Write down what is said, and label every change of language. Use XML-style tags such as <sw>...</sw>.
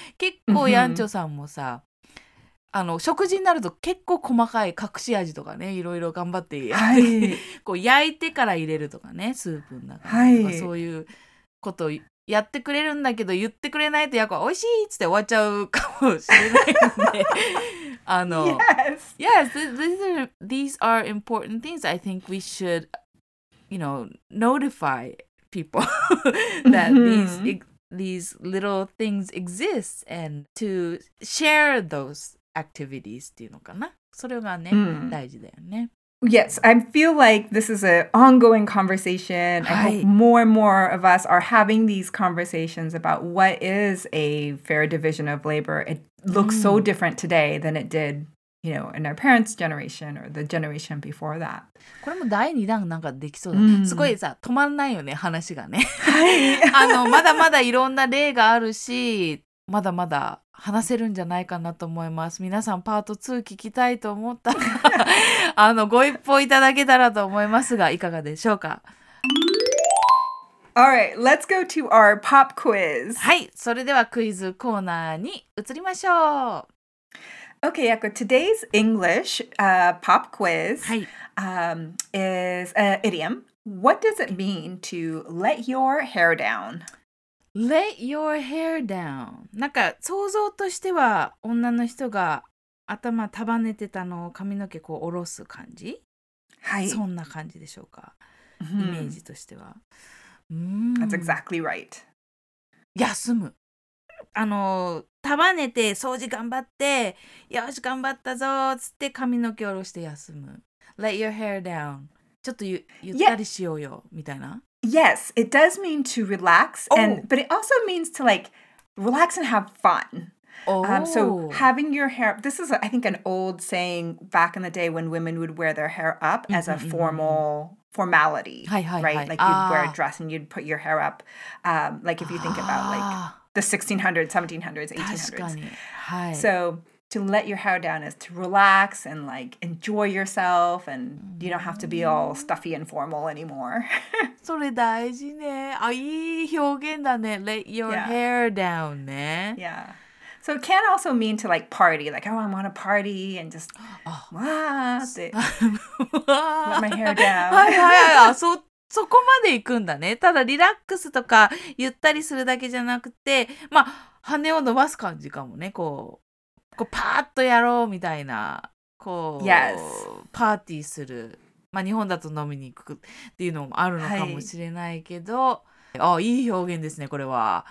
<ja>結構ヤンチョさんもさ、あの食事になると結構細かい隠し味とかね、いろいろ頑張って、はい、こう焼いてから入れるとかね、スープの中とか、はい、そういうことをやってくれるんだけど、言ってくれないとやっぱ美味しいっつって終わっちゃうかもしれないんで。</ja> <en>Yes. Yes. These are important things. I think we should, you know, notify people that these little things exist and to share those activities.</en> <ja>っていうのかな。それがね、大事だよね。</ja> <en>Yes, I feel like this is an ongoing conversation. I hope more and more of us are having these conversations about what is a fair division of labor. It looks so different today than it did, you know, in our parents' generation or the generation before that.</en> <ja>これも第二弾なんかできそうだね。すごいさ、止まんないよね、話がね。はい。あの、まだまだいろんな例があるし、まだまだ話せるんじゃないかなと思います。皆さんパート2聞きたいと思ったらあのご一報いただけたらと思いますが、いかがでしょうか。</ja> <en>All right, let's go to our pop quiz.</en> <ja>はい、それではクイズコーナーに移りましょう。</ja> <en>Okay, Yaku, today's English pop quiz is an idiom. What does it mean to let your hair down? Let your hair down.</en> <ja>なんか想像としては女の人が頭束ねてたのを髪の毛こう下ろす感じ。はい。そんな感じでしょうか。イメージとしては。</ja> <en>That's exactly right.</en> <ja>休む。あの束ねて掃除頑張ってよし頑張ったぞーつって髪の毛下ろして休む。</ja> <en>Let your hair down.</en> <ja>ちょっとゆったりしようよ、</ja> <en>yeah.</en> <ja>みたいな。</ja> <en>Yes, it does mean to relax, and, oh. but it also means to like relax and have fun. Oh. So having your hair, this is I think an old saying back in the day when women would wear their hair up as a formality, right? Like you'd wear a dress and you'd put your hair up, like if you think about like the 1600s, 1700s, 1800s. So to let your hair down is to relax and like enjoy yourself and you don't have to be all stuffy and formal anymore.</en> <ja>それ大事ね。あ、いい表現だね。</ja> <en>Let your hair down</en> <ja>ね。</ja> <en>Yeah. So it can also mean to like party. Like, oh, I'm on a party and just, let my hair down.</en> <ja>はいはいはい。そこまで行くんだね。ただリラックスとかゆったりするだけじゃなくて、まあ、羽を伸ばす感じかもね。こう。こうパーッとやろうみたいなこう、</ja> <en>yes.</en> <ja>パーティーする、まあ、日本だと飲みに行くっていうのもあるのかもしれないけど、はい、いい表現ですねこれは、</ja>